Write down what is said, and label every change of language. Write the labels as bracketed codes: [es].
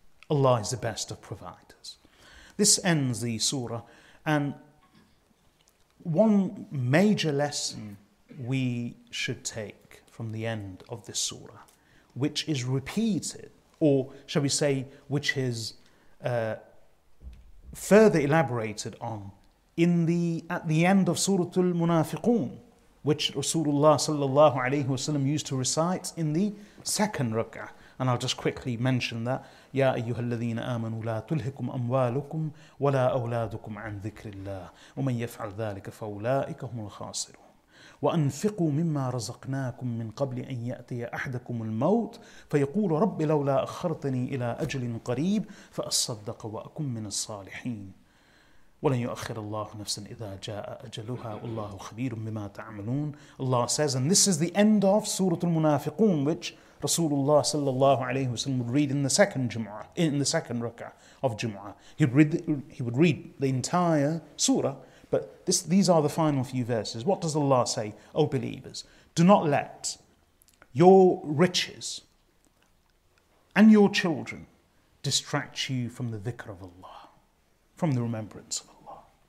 [en] Allah is the best of providers. This ends the surah, and one major lesson we should take from the end of this surah, which is repeated, or shall we say, which is further elaborated on at the end of Surah Al-Munafiqun, which Rasulullah sallallahu alaihi wasallam used to recite in the second rak'ah And I'll just quickly mention that. [ar] يَا أَيُّهَا الَّذِينَ آمَنُوا لَا تُلْهِكُمْ أَمْوَالُكُمْ وَلَا أَوْلَادُكُمْ عَنْ ذِكْرِ اللَّهِ وَمَنْ يَفْعَلْ ذَلِكَ فَأُولَئِكَ هُمُ الْخَاسِرُونَ وأنفقوا مما رزقناكم من قبل أن يأتي أحدكم الموت فيقول رب لولا أخرتني إلى أجل قريب فأصدق وأكن من الصالحين ولن يؤخر الله نفسا إذا جاء أجلها والله خبير بما تعملون. [en] Allah says, and this is the end of Surah Al-Munafiqun, which Rasulullah sallallahu alayhi wa sallam would read in the second Jum'ah, in the second Rak'ah of Jum'ah. He would read the entire Surah. But these are the final few verses. What does Allah say? O believers, do not let your riches and your children distract you from the dhikr of Allah, from the remembrance of Allah.